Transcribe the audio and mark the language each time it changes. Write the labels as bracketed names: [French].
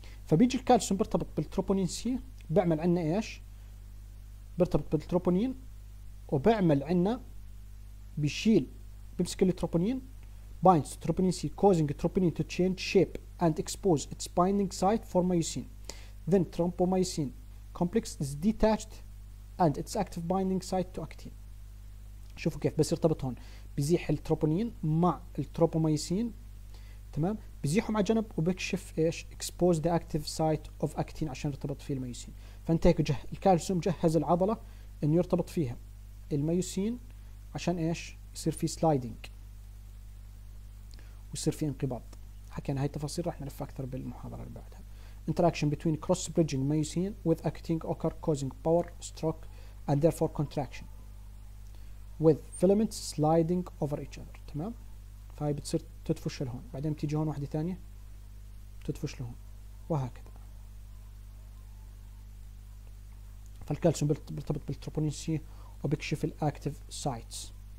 [Arabic] فبيجي الكالسيوم بيرتبط بالتروبونين سي، بيعمل عندنا ايش؟ بيرتبط بالتروبونين وبعمل عندنا بيشيل، بيمسك التروبونين، [English] binds troponin C causing troponin to change shape and expose its binding site for myosin. Then tropomyosin complex is detached and its active binding site to actin. [Arabic] شوفوا كيف بس يرتبط هون، بيزيح التروبونين مع التروبومايسين، تمام؟ بيزيحهم على جنب وبكشف ايش؟ [English] expose the active site of actin [Arabic] عشان يرتبط فيه الميوسين. فانت هيك الكالسيوم جهز العضله انه يرتبط فيها الميوسين عشان ايش؟ يصير في سلايدنج ويصير في انقباض. حكينا هاي التفاصيل، راح نلف اكثر بالمحاضره اللي بعدها. [English] interaction between cross bridging myosin with actin occur causing power stroke and therefore contraction with filaments sliding over each other. [Arabic] تمام، فهي بتصير تدفش لهون، بعدين بتيجي هون واحده ثانيه تدفش لهون وهكذا. فالكالسيوم بيرتبط بالتروبونين سي وبكشف الاكتف سايتس.